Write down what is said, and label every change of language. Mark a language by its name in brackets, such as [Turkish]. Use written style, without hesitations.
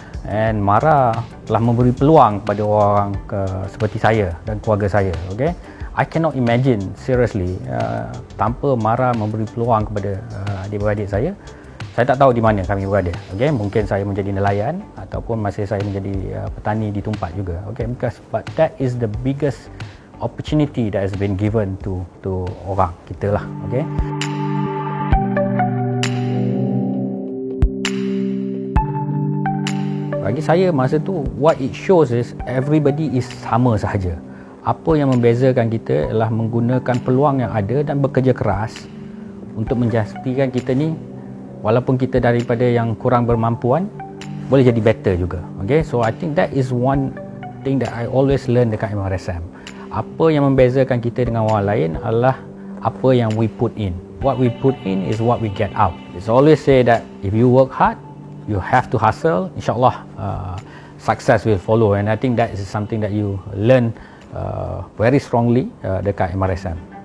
[Malay] And Mara telah memberi peluang kepada orang seperti saya dan keluarga saya. [English] Okay? I cannot imagine seriously [Malay] tanpa Mara memberi peluang kepada adik-beradik saya, saya tak tahu di mana kami berada. [English] Okay? [Malay] Mungkin saya menjadi nelayan ataupun masih saya menjadi petani di tempat juga. [English] Okay? Because, but that is the biggest opportunity that has been given to [Malay] orang kita lah. [English] Okay? [Malay] Bagi saya masa tu, [English] what it shows is everybody is [Malay] sama sahaja. Apa yang membezakan kita ialah menggunakan peluang yang ada dan bekerja keras untuk menjastikan kita ni, walaupun kita daripada yang kurang bermampuan, boleh jadi better juga. [English] Okay? So I think that is one thing that I always learn [Malay] dekat [English] MRSM. [Malay] Apa yang membezakan kita dengan orang lain adalah apa yang [English] we put in. What we put in is what we get out. It's always say that if you work hard, you have to hustle, insyaAllah success will follow. And I think that is something that you learn very strongly [Malay] dekat [English] MRSM.